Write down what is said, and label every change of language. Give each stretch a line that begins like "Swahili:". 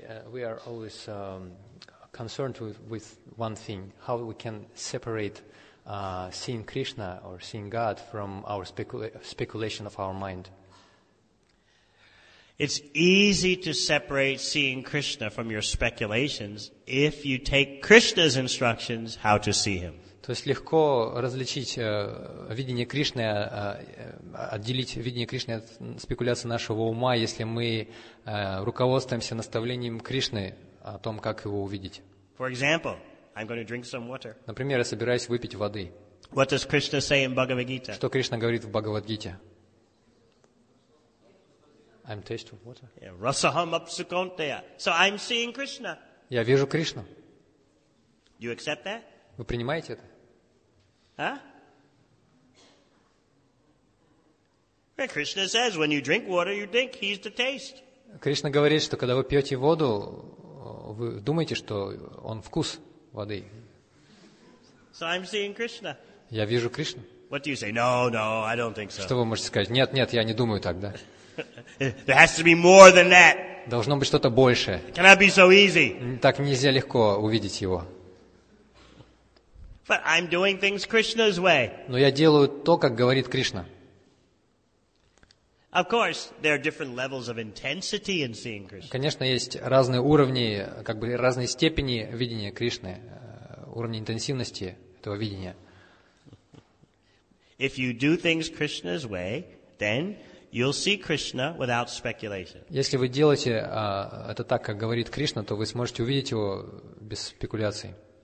English: We are always concerned with one thing: how we can separate seeing Krishna or seeing God from our speculation of our mind. It's easy to separate seeing Krishna from your speculations if you take Krishna's instructions how to see Him.
Russian: То есть легко различить видение Кришны, отделить видение Кришны от спекуляций нашего ума, если мы руководствуемся наставлением Кришны о том, как его увидеть.
English: For example, I'm going to drink some water.
Russian: Например, я собираюсь выпить воды.
English: What does Krishna say in Bhagavad Gita?
Russian: Что Кришна говорит в Бхагавад-гите?
English: I'm tasting water. Yeah,
Sanskrit: rasaham apsukonteya.
English: So I'm seeing Krishna.
Russian: Я вижу Кришну.
English: You accept that?
Russian: Вы принимаете это? А?
English: Well, Krishna says, when you drink water, you think he's the taste.
Russian: Кришна говорит, что когда вы пьете воду, вы думаете, что он вкус воды.
English: So I'm seeing Krishna.
Russian: Я вижу Кришну.
English: What do you say? No, no, I don't think so.
Russian: Что вы можете сказать? Нет, нет, я не думаю так, да?
English: There has to be more than that.
Russian: Должно быть что-то большее.
English: Cannot be so easy.
Russian: Так нельзя легко увидеть его.
English: But I'm doing things Krishna's way.
Russian: Но я делаю то, как говорит Кришна.
English: Of course, there are different levels of intensity in seeing Krishna.
Russian: Конечно, есть разные уровни, как бы разные степени видения Кришны, уровни интенсивности этого видения.
English: If you do things Krishna's way, then you'll see Krishna without speculation.
Russian: Если вы делаете это так, как говорит Кришна, то вы сможете увидеть его без спекуляций.